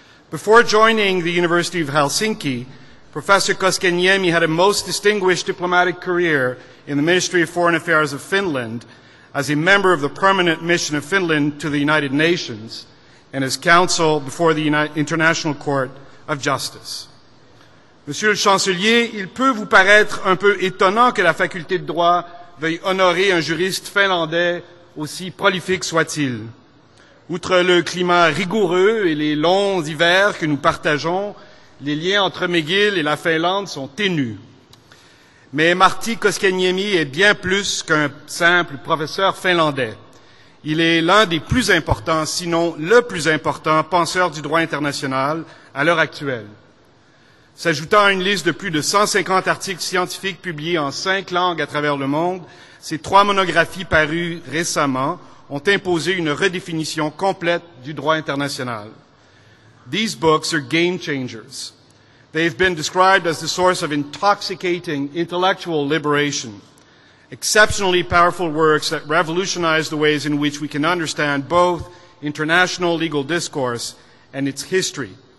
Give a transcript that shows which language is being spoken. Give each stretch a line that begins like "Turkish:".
English: Before joining the University of Helsinki, Professor Koskenniemi had a most distinguished diplomatic career in the Ministry of Foreign Affairs of Finland as a member of the permanent mission of Finland to the United Nations and as counsel before the International Court of Justice.
French: Monsieur le chancelier, il peut vous paraître un peu étonnant que la faculté de droit veuille honorer un juriste finlandais aussi prolifique soit-il. Outre le climat rigoureux et les longs hivers que nous partageons, les liens entre McGill et la Finlande sont ténus. Mais Martti Koskenniemi est bien plus qu'un simple professeur finlandais. Il est l'un des plus importants, sinon le plus important, penseur du droit international à l'heure actuelle. S'ajoutant à une liste de plus de 150 articles scientifiques publiés en 5 langues à travers le monde, ses 3 monographies parues récemment ont imposé une redéfinition complète du droit international.
English: These books are game changers. They've been described as the source of intoxicating intellectual liberation. Exceptionally powerful works that revolutionize the ways in which we can understand both international legal discourse and its history.